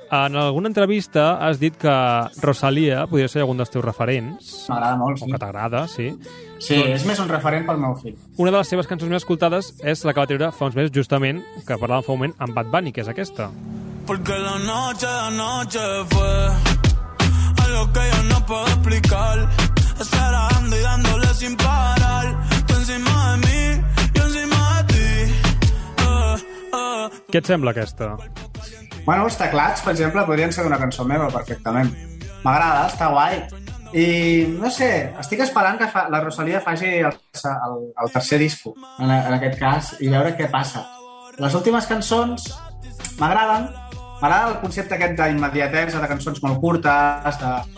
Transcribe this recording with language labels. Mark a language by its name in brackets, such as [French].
[Catalan] En alguna entrevista has dit que Rosalía podria ser algun dels teus referents. M'agrada molt, sí. O que t'agrada, sí. Sí, doncs... és més un referent pel meu fill. Una de les seves cançons més escoltades és la que va treure fa uns mesos, justament, que parlàvem fa un moment, amb Bad Bunny, que és aquesta. [Spanish] Porque la noche fue algo que yo no puedo explicar. Estarà dando y dándole sin parar. Tú encima de mí, yo encima de ti. [Catalan] Què et sembla, aquesta? Bueno, els teclats, per exemple, podrien ser una cançó meva perfectament. M'agrada, està guai. I, no sé, estic esperant que la Rosalía faci el tercer disco, en aquest cas, i veure què passa. Les últimes cançons m'agraden. M'agrada el concepte aquest d'immediatesa, de cançons molt curtes, de...